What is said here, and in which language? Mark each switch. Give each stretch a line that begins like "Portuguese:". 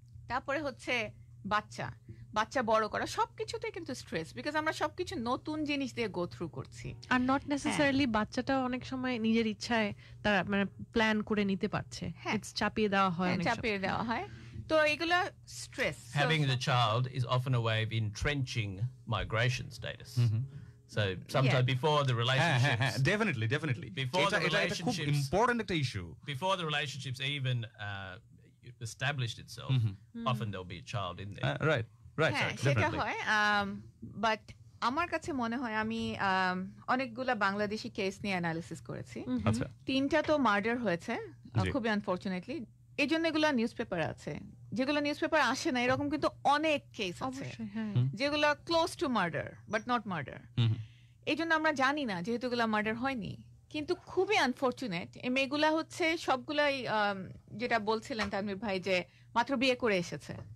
Bangla: তারপরে হচ্ছে বাচ্চা, বাচ্চা বড় করা, সবকিছুতে কিন্তু স্ট্রেস, বিকজ আমরা সবকিছু নতুন জিনিস দিয়ে গো থ্রু করছি, আর
English: not necessarily
Bangla: বাচ্চাটা অনেক সময় নিজের ইচ্ছায় তারা মানে প্ল্যান করে নিতে পারছে, ইটস চাপিয়ে দেওয়া হয়, চাপিয়ে দেওয়া হয়। তো এগুলো stress,
English: Having the child is often a way of entrenching migration status. So sometimes before the relationships definitely before the relationships, it's a quite important একটা issue, before the relationships even established itself, often there'll be a child in there. Right,
Bangla: আমার কাছে মনে হয় আমি অনেকগুলো Bangladeshi case নিয়ে analysis করেছি। তিনটা তো মার্ডার হয়েছে খুবই আনফরচুনেটলি, এই জন্য এগুলো নিউজপেপার আছে, যেগুলো নিউজপেপার আসে না, এরকম কিন্তু অনেক কেস আছে যেগুলো
English: close to murder but not murder,
Bangla: এই জন্য আমরা জানি না যেহেতু এগুলো মার্ডার হয়নি, কিন্তু খুবই আনফরচুনেট এই মেয়েগুলো হচ্ছে সবগুলাই, যেটা বলছিলেন তানভীর ভাই, যে মাত্র বিয়ে করে এসেছে।